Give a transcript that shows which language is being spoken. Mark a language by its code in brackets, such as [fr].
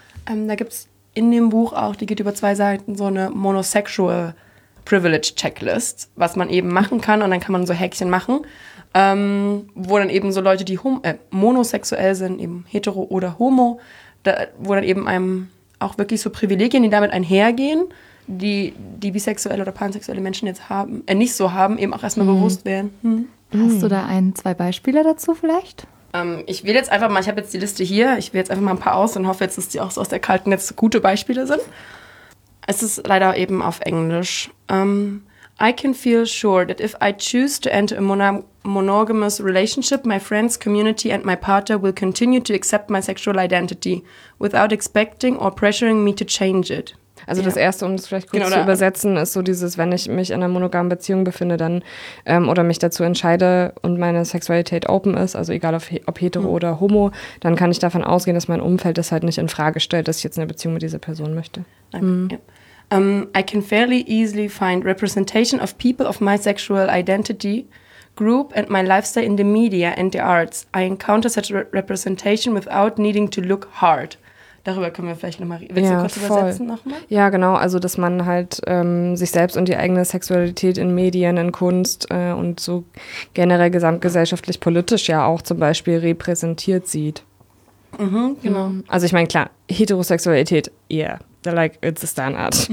[de] Da gibt es in dem Buch auch, die geht über zwei Seiten, so eine Monosexual Privilege Checklist, was man eben machen kann, und dann kann man so Häkchen machen, wo dann eben so Leute, die monosexuell sind, eben hetero oder homo, da, wo dann eben einem auch wirklich so Privilegien, die damit einhergehen, die bisexuelle oder pansexuelle Menschen jetzt haben, nicht so haben, eben auch erstmal bewusst werden. Hast du da ein, zwei Beispiele dazu vielleicht? Ich will jetzt einfach mal, ich habe jetzt die Liste hier, ich will jetzt einfach mal ein paar aus und hoffe jetzt, dass die auch so aus der kalten jetzt gute Beispiele sind. Es ist leider eben auf Englisch. [en] I can feel sure that if I choose to enter a monogamous relationship, my friends, community and my partner will continue to accept my sexual identity without expecting or pressuring me to change it. [de] Also das Erste, um es vielleicht kurz zu übersetzen, ist so dieses, wenn ich mich in einer monogamen Beziehung befinde dann oder mich dazu entscheide und meine Sexualität open ist, also egal ob hetero oder homo, dann kann ich davon ausgehen, dass mein Umfeld das halt nicht in Frage stellt, dass ich jetzt eine Beziehung mit dieser Person möchte. [en] I can fairly easily find representation of people of my sexual identity, group and my lifestyle in the media and the arts. I encounter such representation without needing to look hard. [de] Darüber können wir vielleicht nochmal, willst du kurz voll übersetzen nochmal? Ja, genau, also dass man halt sich selbst und die eigene Sexualität in Medien, in Kunst und so generell gesamtgesellschaftlich politisch ja auch zum Beispiel repräsentiert sieht. Mhm, genau. [en] Also ich meine, klar, Heterosexualität, yeah, they're like, it's a standard.